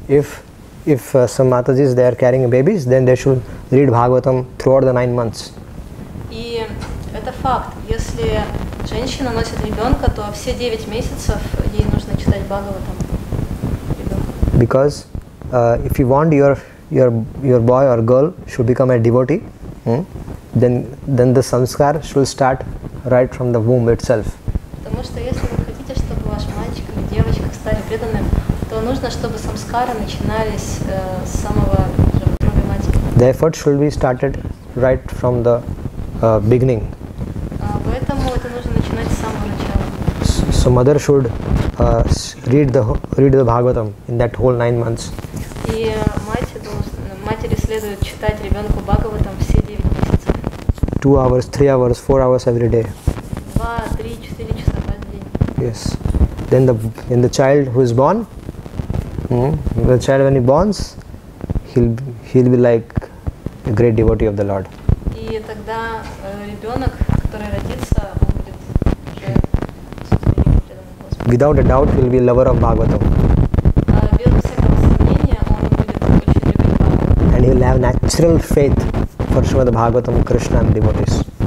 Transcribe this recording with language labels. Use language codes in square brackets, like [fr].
[en] If some matajis they are carrying babies, then they should read Bhagavatam throughout the 9 months. [ru] И это факт. Если женщина носит ребенка, то все 9 месяцев ей нужно читать Бхагаватам. [en] Because if you want your boy or girl should become a devotee, then the samskar should start right from the womb itself. [ru] Потому что если вы хотите, чтобы ваш мальчик или девочка стали преданными, то нужно, чтобы самскары начинались с самого утробе матери. [en] The effort should be started right from the beginning. [ru] Поэтому это нужно начинать с самого начала. [en] So mother should read the Bhagavatam in that whole 9 months. [ru] И матери следует читать ребенку Бхагаватам все 9 месяцев. [en] 2 hours, 3 hours, 4 hours every day. [ru] 2-3-4 часа в день. [en] Yes. Then the child who is born. The child when he bonds, he'll be like a great devotee of the Lord. [ru] И тогда ребенок, который родится, он будет уже [en] without a doubt, he'll be a lover of Bhagavatam. [ru] Без всякого сомнения, он будет очень любить Бхагаватам. [en] And he'll have natural faith for Srimad Bhagavatam, Krishna and devotees.